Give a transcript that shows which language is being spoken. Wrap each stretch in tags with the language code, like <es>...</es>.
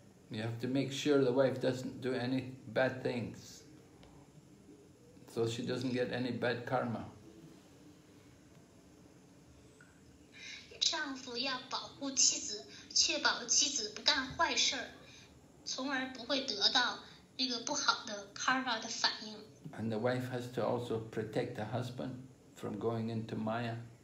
<en>You have to make sure the wife doesn't do any bad things, so she doesn't get any bad karma.</en> <zh>丈夫要保护妻子，确保妻子不干坏事，从而不会得到那个不好的karma的反应。</zh> <en>And the wife has to also protect the husband from going into Maya.</en>